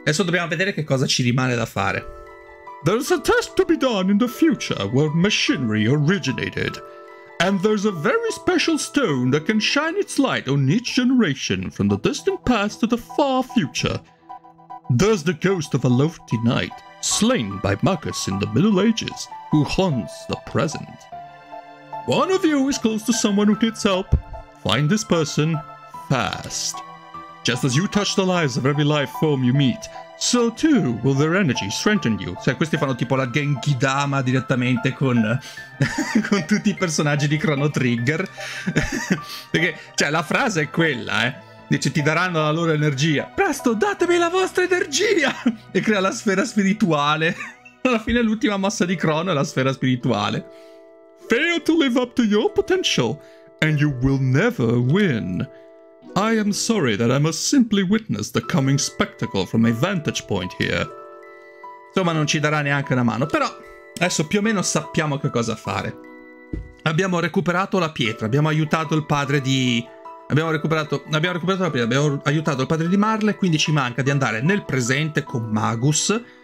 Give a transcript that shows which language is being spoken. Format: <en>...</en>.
<it>Adesso dobbiamo vedere che cosa ci rimane da fare.</it> <en>There's a test to be done in the future where machinery originated. And there's a very special stone that can shine its light on each generation from the distant past to the far future. There's the ghost of a lofty knight, slain by Marcus in the Middle Ages, who haunts the present. One of you is close to someone who needs help. Find this person fast. Just as you touch the lives of every life form you meet, so too will their energy strengthen you.</en> <it>Cioè, questi fanno tipo la Genkidama direttamente con con tutti i personaggi di Chrono Trigger. Perché, cioè, la frase è quella, Dice, ti daranno la loro energia. Presto, datemi la vostra energia! E crea la sfera spirituale. Alla fine l'ultima mossa di Chrono è la sfera spirituale.</it> <en>Fail to live up to your potential, and you will never win. I am sorry that I must simply witness the coming spectacle from a vantage point here.</en> <it>Insomma, non ci darà neanche una mano, però adesso più o meno sappiamo che cosa fare. Abbiamo recuperato la pietra, abbiamo aiutato il padre di... abbiamo aiutato il padre di Marle, quindi ci manca di andare nel presente con Magus.</it>